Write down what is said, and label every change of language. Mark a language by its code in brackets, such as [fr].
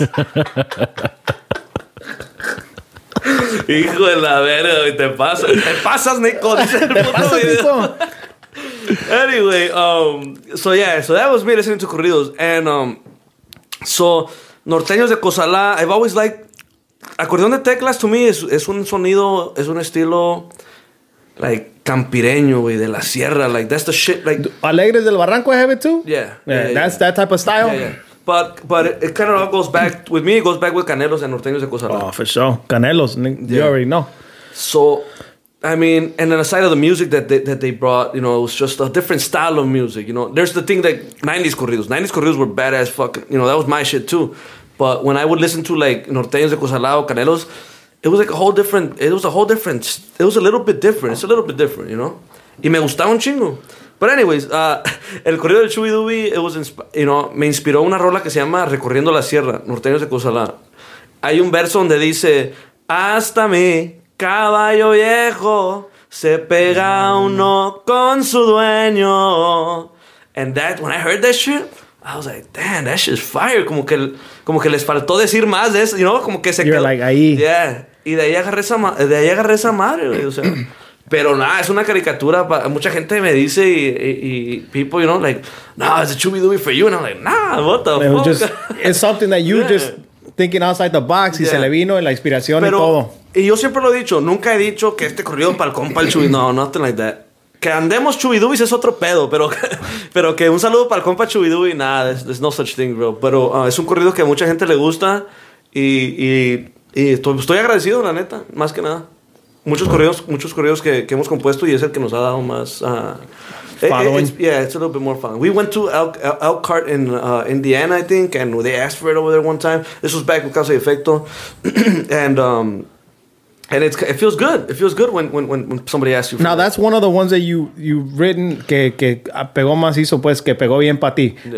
[es] Hijo de la verga, te pasas. Te pasas, Nico. Te pasas, Nico. [en] Anyway, so that was me listening to corridos. And so, Norteños de Cosalá, I've always liked... [es] Acordeón de teclas, [en] to me, [es] es un sonido, es un estilo, like, campireño, güey, de la sierra. [en] Like, that's the shit, like... Alegres del Barranco, I have it, too? Yeah, that type of style? Yeah. But it kind of all goes back, with me, it goes back with Canelos and Norteños de Cosalá. Oh, for sure. Canelos, you already know. So, I mean, and then aside of the music that they brought, you know, it was just a different style of music, you know. There's the thing that 90s corridos. 90s corridos were badass fucking, you know, that was my shit, too. But when I would listen to like Norteños de Cosalá or Canelos, it was like a whole different. It was a little bit different. It's a little bit different, you know. [es] Y me gustaba un chingo. [en] But anyways, [es] el corrido del Chubby Doobie, [en] it was you know, [es] me inspiró una rola que se llama Recorriendo la Sierra, Norteños de Cosalá. Hay un verso donde dice: Hasta mi caballo viejo se pega uno con su dueño. [en] And that when I heard that shit, I was like, damn, that shit's fire. [es] Como que les faltó decir más de eso, [en] you know? [es] Como que se quedó. Like ahí. Yeah. Y de ahí agarré esa madre, güey. O sea, pero nada, es una caricatura. Mucha gente me dice y [en] people, you know, like, no, it's a Chubby Doobie for you. And I'm like, nah, what the fuck? Just, it's something that you just thinking outside the box. [es] Y se le vino la inspiración y todo. Y yo siempre lo he dicho. Nunca he dicho que este corrido para el compa el Chubby. [en] No, nothing like that. [es] Que andemos Chubby Doobies es otro pedo, pero que un saludo para el compa Chubby Doobie, nada, [en] there's no such thing, bro. [es] Pero es un corrido que a mucha gente le gusta y estoy agradecido, la neta, más que nada. Muchos corridos que hemos compuesto y es el que nos ha dado más... [en] it's a little bit more fun. We went to Elkhart in Indiana, I think, and they asked for it over there one time. This was back with Causa y Efecto. And... And it feels good when somebody asks you for. Now that's one of the ones that you written [es] que pegó macizo, pues que pegó bien para ti. [en] Yeah.